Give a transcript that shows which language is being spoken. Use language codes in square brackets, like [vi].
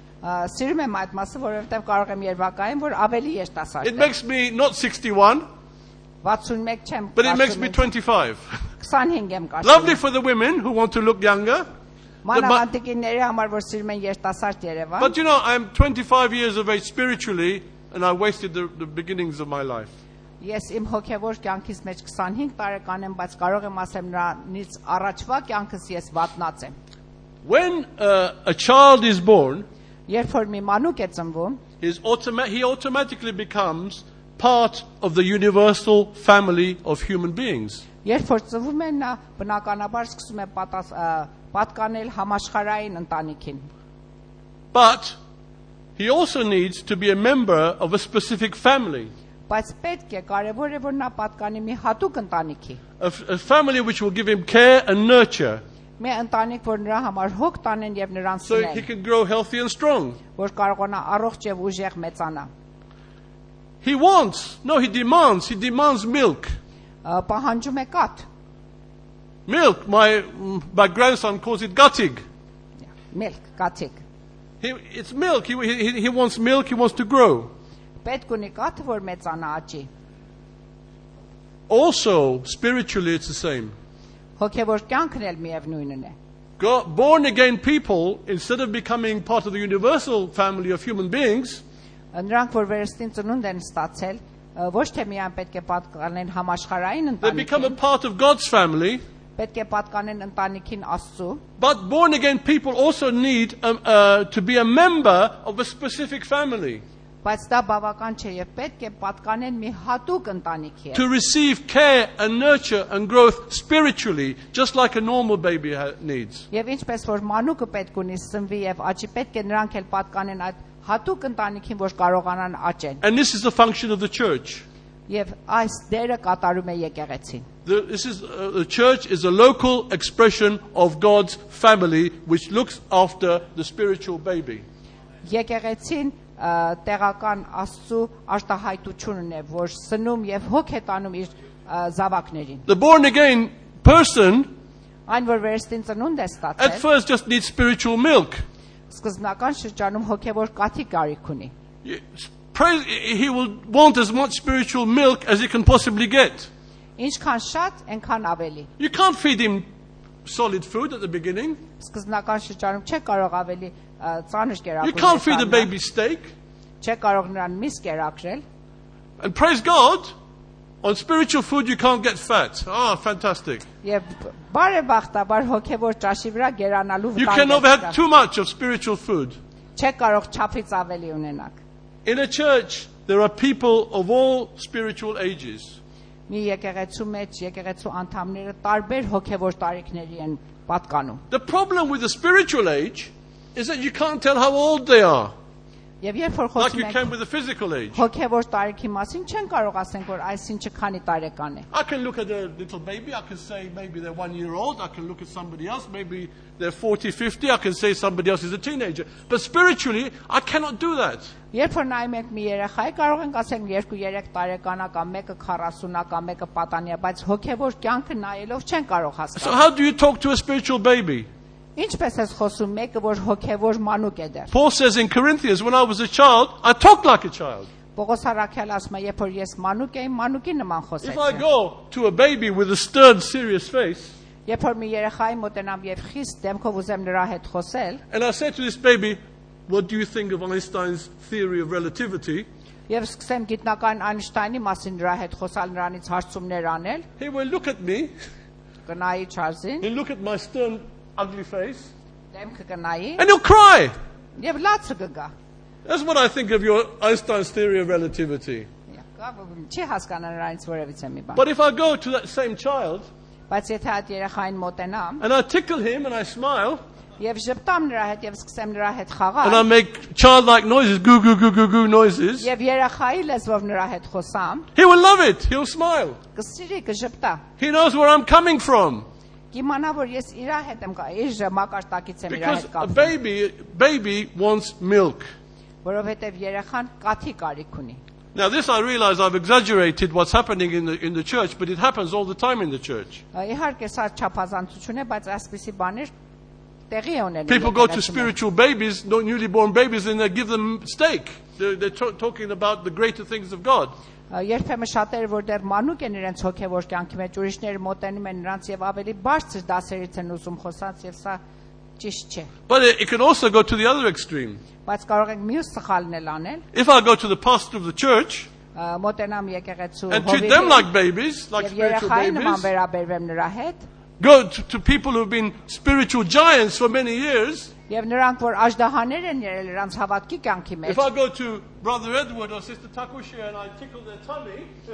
[en] It makes me not 61. But it makes me 25. Lovely for the women who want to look younger. But you know, I'm 25 years of age spiritually, and I wasted the beginnings of my life. [hy] Yes, իմ հոգևոր կյանքից մեջ 25 տարեկան եմ, բայց կարող եմ ասեմ նրանից առաջվա կյանքս ես վատնած եմ. [en] When a child is born, [hy] երբ որ մի մանուկ է ծնվում, [en] he automatically becomes part of the universal family of human beings. [hy] Երբ որ ծնվում է, նա բնականաբար սկսում է պատկանել համաշխարհային ընտանիքին. [en] But he also needs to be a member of a specific family. [hy] Բայց պետք է կարևոր է որ նա պատկանի մի հատուկ ընտանիքի. [en] A family which will give him care and nurture. [hy] Մի ընտանիք, որ նրա համար հոգ տանեն եւ նրան սիրեն. [en] So he can grow healthy and strong. [hy] Որ կարողանա առողջ եւ ուժեղ մեծանա. [en] He wants. No, he demands milk. [hy] Պահանջում է կաթ. [en] Milk, my grandson calls it gutting. Milk, gutting. It's milk. He wants milk. He wants to grow. [hy] Պետք ունի կաթ, որ մեծանա աճի. [en] Also, spiritually it's the same. [hy] Հոգևոր կյանքն էլ միևնույնն է. [en] Born again people, instead of becoming part of the universal family of human beings, [hy] նրանք, որ վերստին ծնունդ են ստացել, ոչ թե միայն պետք է պատկանեն համաշխարհային ընտանիքին, [en] they become a part of God's family, [hy] պետք է պատկանեն ընտանիքին Աստծո. [en] But born again people also need to be a member of a specific family. [hy] Բայց դա բավական չէ եւ պետք է պատկանեն մի հատուկ ընտանիքի հետ. [en] To receive care and nurture and growth spiritually just like a normal baby needs. [hy] Եվ ինչպես որ մանուկը պետք ունի սնվի եւ աճի, պետք է նրանք էլ պատկանեն այդ հատուկ ընտանիքին, որ կարողանան աճեն. [en] And this is the function of the church. [hy] Եվ այս դերը կատարում է եկեղեցին. [en] The church is a local expression of God's family which looks after the spiritual baby. [hy] Եկեղեցին տեղական Աստծու արտահայտությունն է, որ սնում եւ հոգ է տանում իր զավակներին. [en] The born again person, [hy] այն որ վերստին ծնունդ է ստացել, [en] at first just needs spiritual milk. [hy] Սկզբնական շրջանում հոգեւոր կաթի կարիք ունի. [en] He will want as much spiritual milk as he can possibly get. [hy] Ինչքան շատ, այնքան ավելի. [en] You can't feed him solid food at the beginning. [hy] Սկզբնական շրջանում չէ կարող ավելի ծանր կերակրել. [en] You can't feed a baby steak. [hy] Չէ կարող նրան միս կերակրել. [en] And praise God, on spiritual food you can't get fat. Ah, fantastic. [hy] Եվ բարեբախտաբար հոգևոր ճաշի վրա գերանալու վտանգ չկա. [en] You cannot have too much of spiritual food. [hy] Չէ կարող չափից ավելի ունենալ. [en] In a church there are people of all spiritual ages. [hy] Մի եկեղեցու մեջ եկեղեցու անդամները տարբեր հոգևոր տարիքների են պատկանում. [en] The problem with the spiritual age is that you can't tell how old they are. [hy] Եվ երբ որ խոսում ենք [en] like you can with the physical age. [hy] Հոգևոր տարիքի մասին չեն կարող ասենք, որ այսին չքանի տարեկան է. [en] I can look at a little baby, I can say maybe they're 1 year old, I can look at somebody else, maybe they're 40, 50, I can say somebody else is a teenager. But spiritually, I cannot do that. [hy] Երբ որ նայում ենք մի երեխայի, կարող ենք ասենք 2-3 տարեկան կամ 1-ը 40-ա կամ 1-ը պատանի է, բայց հոգևոր կյանքը նայելով չեն կարող հասկանալ. [en] So how do you talk to a spiritual baby? [hy] Ինչպես ես խոսում մեկը, որ հոգևոր մանուկ է դեռ։ [en] Paul says in Corinthians, when I was a child, I talked like a child. [hy] Պողոս հարակյալ ասում է, երբ որ ես մանուկ էի, մանուկի նման խոսեցի։ [en] If I go to a baby with a stern, serious face, [hy] երբ որ մի երեխայի մոտենամ եւ խիստ դեմքով ուզեմ նրա հետ խոսել, [en] and I say to this baby, what do you think of Einstein's theory of relativity? [hy] Եվ սկսեմ գիտնական Einstein-ի մասին նրա հետ խոսալ, նրանից հարցումներ անել, [en] he will look at me. [hy] Կնայի Charles-ին։ [en] He'll look at my stern ugly face. [hy] Դեմքը կնայի։ [en] And you'll cry. [hy] Եվ լացը կգա։ [en] That's what I think of your Einstein's theory of relativity. [hy] Չի հասկանա նրանից որևիցե մի բան։ [en] But if I go to that same child, [hy] բայց եթե այդ երեխային մոտենամ, [en] and I tickle him and I smile, [hy] եւ ժպտամ նրա հետ եւ սկսեմ նրա հետ խաղալ, [en] and I make childlike noises, goo goo goo goo goo noises, [hy] եւ երեխայի լեզվով նրա հետ խոսամ, [en] he will love it. He'll smile. [hy] Կսիրի, կժպտա։ [en] He knows where I'm coming from. [hy] Կիմանա որ ես իրա հետ եմ գալիս, իր մակարտակից եմ իրա հետ գալիս։ [en] Because a baby wants milk. [hy] Որովհետև երեխան կաթի կարիք ունի։ [en] Now this I realize I've exaggerated what's happening in the church, but it happens all the time in the church. [hy] Իհարկե սա չափազանցություն է, բայց այսպիսի բաներ տեղի ունենում։ [en] People go to spiritual babies, not newly born babies, and they give them steak. They're talking about the greater things of God. [hy] Երբեմն շատեր, որ դեռ մանուկ են իրենց հոգևոր կյանքի մեջ, ուրիշները մոտենում են նրանց եւ ավելի բարձր դասերից են ուզում խոսած եւ սա [en] But it can also go to the other extreme. If I go to the pastor of the church and treat them like babies, like spiritual babies, go to people who have been spiritual giants for many years, if I go to Brother Edward or Sister Takushia and I tickle their tummy,